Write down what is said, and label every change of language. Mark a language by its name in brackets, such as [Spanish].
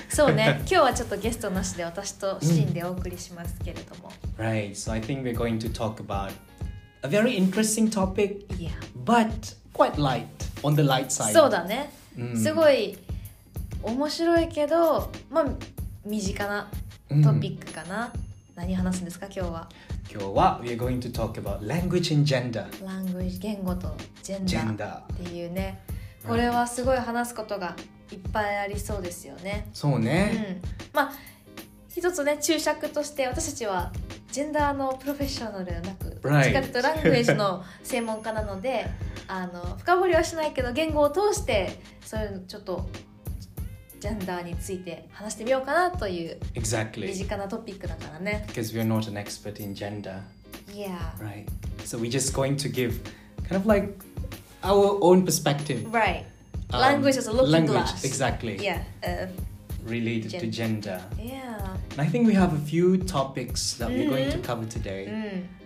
[Japanese] そうね、今日はちょっとゲストなしで私とシンでお送りしますけれども。 [English] Right, so I think we're going to talk about a very interesting topic, yeah. but quite light, on the light side. [Japanese] そうだね。すごい面白いけど、まあ身近なトピックかな。何話すんですか今日は。今日は [English] we are going to talk about language and gender. [Japanese] Language 言語とジェンダーっていうね。これはすごい話すことがいっぱいありそうですよね。そうね。うん、まあ一つね注釈として私たちはジェンダーのプロフェッショナルではなく、 [English] right. ど [Japanese] っちかというとラングエージの専門家なので、あの深掘りはしないけど言語を通してそういうのちょっと。ジェンダーについて話してみようかなという身近なトピックだからね。 [English] Exactly. Because we're not an expert in gender. Yeah. Right. So we're just going to give kind of like our own perspective. Right. Language as a looking language, glass. Exactly. Yeah. Related to gender. Yeah. And I think we have a few topics that we're going to cover today.